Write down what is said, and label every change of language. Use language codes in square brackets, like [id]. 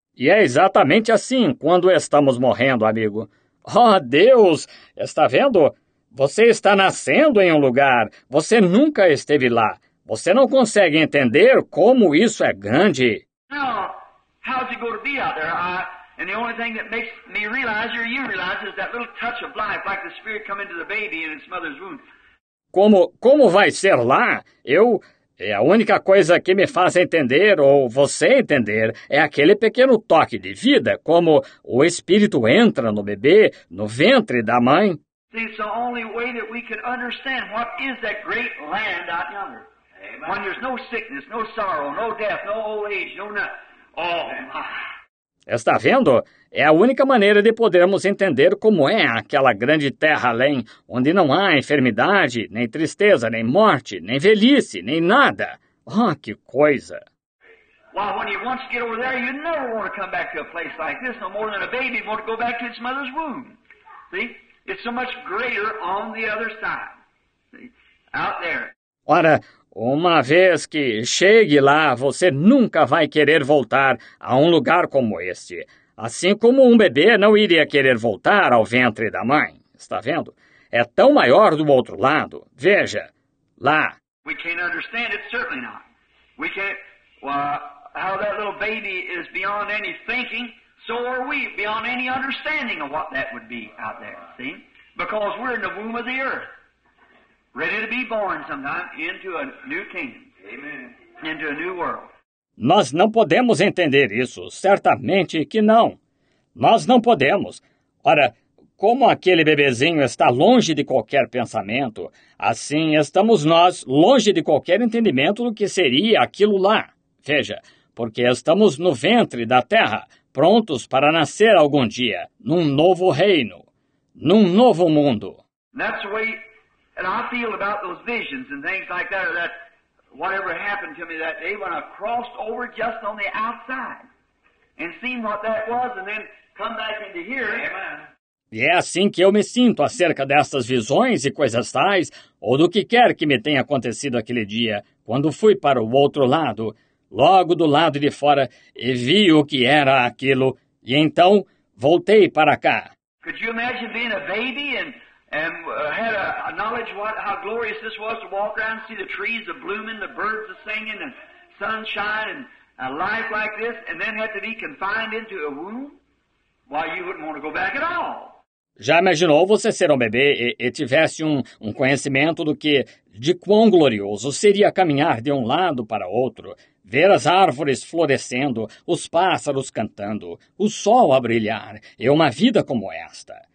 [pt] E é exatamente assim quando estamos morrendo, amigo. Oh, Deus! Está vendo? Você está nascendo em um lugar. Você nunca esteve lá. Você não consegue entender como isso é grande. [en] Now, how's it going to be out there? And the only thing that makes me realize, or you realize, is that little touch of life, like the spirit come into the baby in its mother's womb. [pt] Como vai ser lá? É a única coisa que me faz entender, ou você entender, é aquele pequeno toque de vida, como o espírito entra no bebê, no ventre da mãe. [en] It's the only way that we can understand what is that great land out yonder. Amen. When there's no sickness, no sorrow, no death, no old age, no nothing. Oh, my. [pt] Está vendo? É a única maneira de podermos entender como é aquela grande terra além, onde não há enfermidade, nem tristeza, nem morte, nem velhice, nem nada. Oh, que coisa! [en] Well, when you once get over there, you never want to come back to a place like this, no more than a baby want to go back to its mother's womb. See? It's so much greater on the other side. See? Out there. [pt] Ora, uma vez que chegue lá, você nunca vai querer voltar a um lugar como este. Assim como um bebê não iria querer voltar ao ventre da mãe. Está vendo? É tão maior do outro lado. Veja, lá. [en] We can't understand it, certainly not. We can't, how that little baby is beyond any thinking, so are we beyond any understanding of what that would be out there, see? Because we're in the womb of the earth. Ready to be born sometime into a new kingdom. Amen. Into a new world. [pt] Nós não podemos entender isso, certamente que não. Nós não podemos. Ora, como aquele bebezinho está longe de qualquer pensamento, assim estamos nós longe de qualquer entendimento do que seria aquilo lá. Veja, porque estamos no ventre da terra, prontos para nascer algum dia, num novo reino, num novo mundo. [en] That's the way. And I feel about those visions and things like that, or that whatever happened to me that day when I crossed over just on the outside and seen what that was and then come back into here. Amen. [pt] E é assim que eu me sinto acerca destas visões e coisas tais, ou do que quer que me tenha acontecido aquele dia, quando fui para o outro lado, logo do lado de fora, e vi o que era aquilo, e então voltei para cá. [en] Could you imagine being a baby and had a knowledge what how glorious this was to walk around and see the trees a blooming, the birds a singing, and sunshine, and a life like this, and then had to be confined into a womb? Why, you wouldn't want to go back at all. [pt] Já imaginou você ser um bebê e tivesse um conhecimento do que de quão glorioso seria caminhar de um lado para outro, ver as árvores florescendo, os pássaros cantando, o sol a brilhar, e uma vida como esta.